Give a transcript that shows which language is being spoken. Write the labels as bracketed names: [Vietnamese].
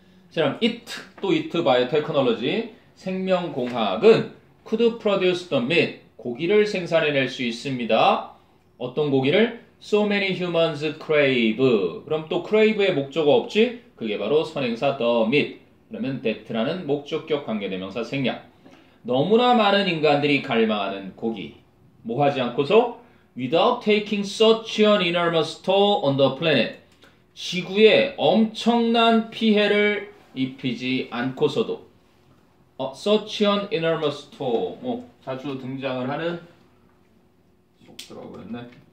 [Korean] 자, 그럼 it, 또 it, biotechnology, 생명공학은 [English] could produce the meat, [Korean] 고기를 생산해낼 수 있습니다. 어떤 고기를? [English] So many humans crave. [Korean] 그럼 또 crave의 목적어 없지? 그게 바로 선행사 the meat. 그러면 that라는 목적격 관계대명사 생략. 너무나 많은 인간들이 갈망하는 고기. 뭐 하지 않고서? [English] Without taking such an enormous toll on the planet. [Korean] 지구에 엄청난 피해를 입히지 않고서도. [English] Such an enormous toll. [Korean] 뭐 자주 등장을 하는 속도라고 그랬네.